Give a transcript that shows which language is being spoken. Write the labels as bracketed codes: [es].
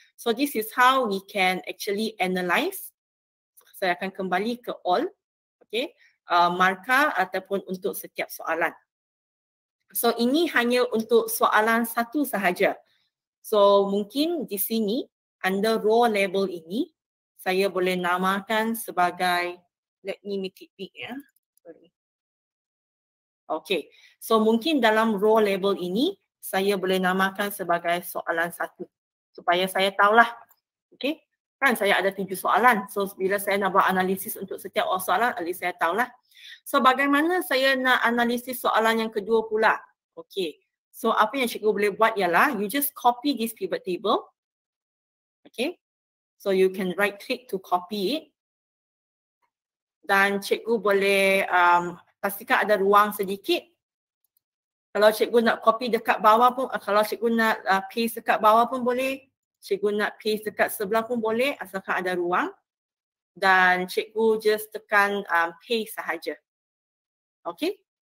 [en] So this is how we can actually analyze. [ms] Saya akan kembali ke all. Okay. Markah ataupun untuk setiap soalan. So ini hanya untuk soalan satu sahaja. So mungkin di sini under row label ini, saya boleh namakan sebagai, [en] let me make it big ya. Sorry. [ms] Okay, so mungkin dalam row label ini, saya boleh namakan sebagai soalan satu. Supaya saya tahulah, okay. Kan saya ada 7 soalan. So bila saya nak buat analisis untuk setiap soalan, at least saya tahulah. So bagaimana saya nak analisis soalan yang kedua pula? Okay. So apa yang cikgu boleh buat ialah, [en] you just copy this pivot table. Okay. So you can right click to copy it. [ms] Dan cikgu boleh pastikan ada ruang sedikit. Kalau cikgu nak copy dekat bawah pun, kalau cikgu nak paste dekat bawah pun boleh. Cikgu nak paste dekat sebelah pun boleh, asalkan ada ruang. Dan cikgu just tekan paste sahaja. Okay.